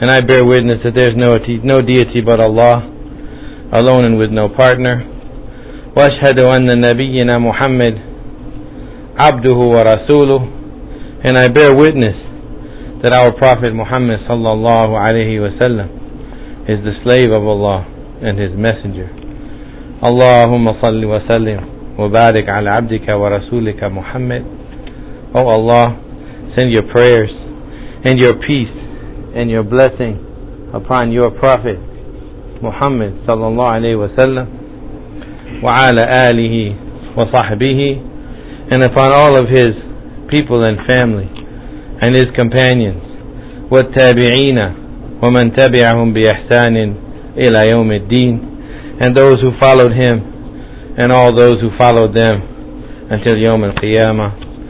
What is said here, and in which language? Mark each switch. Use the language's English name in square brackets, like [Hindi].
[English] And I bear witness that there is no deity but Allah, alone and with no partner. [Arabic] وَأَشْهَدُ أَنَّ نَبِيِّنَا مُحَمَّدْ عَبْدُهُ وَرَسُولُهُ. [English] And I bear witness that our Prophet Muhammad sallallahu alayhi wa sallam is the slave of Allah and His Messenger. [Arabic] اللهم صل وسلم وبارك على عبدك ورسولك محمد. [English] O Allah, send your prayers and your peace and your blessing upon your Prophet Muhammad sallallahu alayhi wa sallam [Arabic] wa ala alihi wa sahbihi, [English] and upon all of his people and family and his companions [Arabic] wa tabi'ina wa man tabi'ahum bi ihsanin ila yawm ad-din, [English] and those who followed him and all those who followed them until yawm al-qiyamah.